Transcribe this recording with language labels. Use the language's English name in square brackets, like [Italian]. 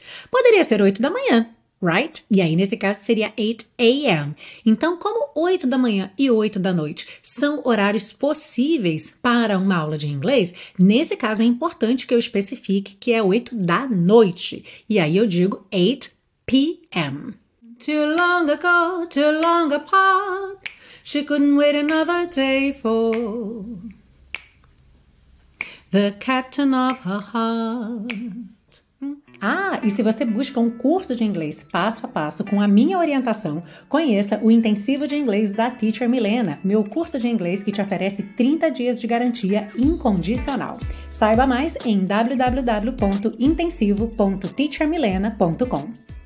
[Portuguese] Poderia ser 8 da manhã, right? E aí, nesse caso, seria 8 a.m. Então, como 8 da manhã e 8 da noite são horários possíveis para uma aula de inglês, nesse caso é importante que eu especifique que é 8 da noite. E aí eu digo 8 p.m. [English] Too long ago, too long apart, she couldn't wait another day for the captain of her heart. [Portuguese] Ah, e se você busca um curso de inglês passo a passo com a minha orientação, conheça o Intensivo de Inglês da Teacher Milena, meu curso de inglês que te oferece 30 dias de garantia incondicional. Saiba mais em www.intensivo.teachermilena.com.